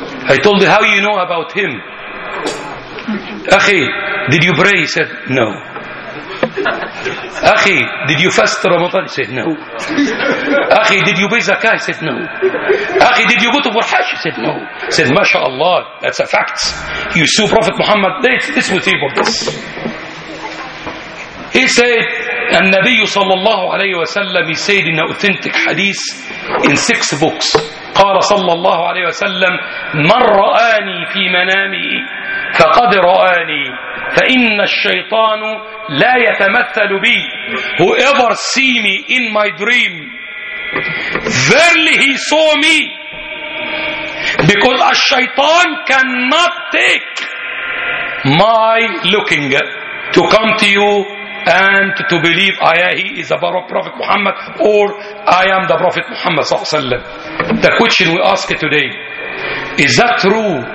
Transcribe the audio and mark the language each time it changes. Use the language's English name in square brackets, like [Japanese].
[English] I told him, how you know about him? Akhi, did you pray? He said, no. Akhi, did you fast Ramadan? He said, no. Akhi, did you pay zakah? He said, no. Akhi, did you go to Warhash? He said, no. He said, mashallah, that's a fact. You saw Prophet Muhammad. This was evil. He said, [Arabic] النبي صلى الله عليه وسلم [English] he said in authentic hadith in 6 books [Arabic] قال صلى الله عليه وسلم من رآني في منامي فقد رآني فإن الشيطان لا يتمثل بي. [English] Whoever see me in my dream, verily he saw me, because الشيطان cannot take my looking to come to you and to believe he is the Prophet Muhammad or I am the Prophet Muhammad sallallahu alaihi wasallam. The question we ask today, is that true?